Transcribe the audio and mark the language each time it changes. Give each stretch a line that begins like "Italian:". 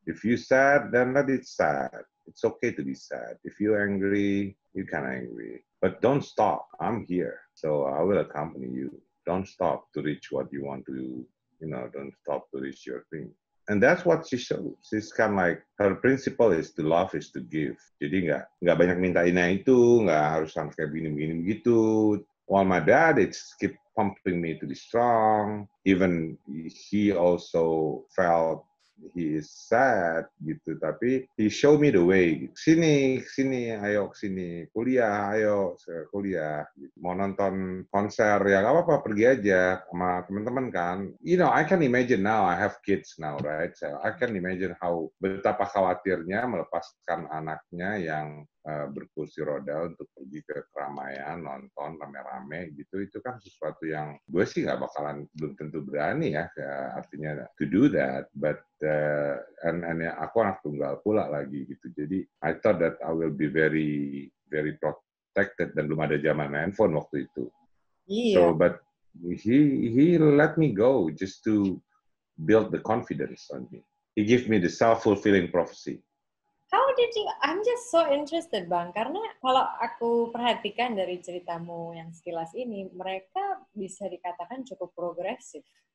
English: If you sad, then let it sad. It's okay to be sad. If you angry, you can angry. But don't stop. I'm here. So I will accompany you. Don't stop to reach what you want to do. You know, don't stop to reach your dream. And that's what she shows. She's kind of like, her principle is to love is to give.
Indonesian: Jadi nggak banyak minta ini itu, nggak harus sampai kayak begini-begini begitu.
English: While my dad, it's keep pumping me to be strong. Even he also felt he is sad
Indonesian: gitu. Tapi
English: he show me the way.
Indonesian: Sini, sini, ayo sini. Kuliah, ayo kuliah. Mau nonton konser, ya gak apa-apa, pergi aja sama teman-teman kan.
English: You know, I can imagine now, I have kids now, right? So I can imagine how,
Indonesian: betapa khawatirnya melepaskan anaknya yang berkursi roda untuk pergi ke keramaian, nonton rame-rame gitu. Itu kan sesuatu yang gue sih gak bakalan, belum tentu berani ya, artinya
English: to do that. But and
Indonesian: aku anak tunggal pula lagi gitu. Jadi
English: I thought that I will be very very protected,
Indonesian: dan belum ada zaman handphone waktu itu.
English: Yeah. So but he let me go just to build the confidence on me. He give me the self-fulfilling prophecy. How did you? I'm just so interested, Bang.
Indonesian: Karena kalau aku perhatikan dari ceritamu yang sekilas ini, mereka bisa dikatakan cukup progresif.